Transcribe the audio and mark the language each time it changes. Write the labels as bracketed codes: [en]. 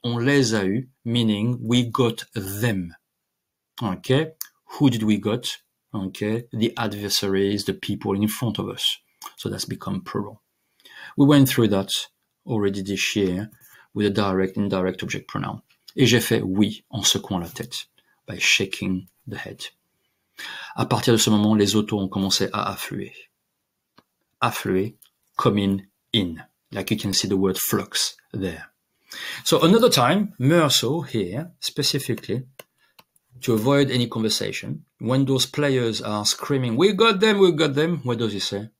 [fr] On les a eu, [en] meaning we got them. Okay? Who did we got? Okay? The adversaries, the people in front of us. So that's become plural. We went through that already this year with a direct and indirect object pronoun. [fr] Et j'ai fait oui en secouant la tête, [en] by shaking the head. [fr] À partir de ce moment, les autos ont commencé à affluer. [en] Affluer, coming in. Like you can see the word flux there. So another time, Meursault here, specifically, to avoid any conversation, when those players are screaming, we got them, we got them, what does he say?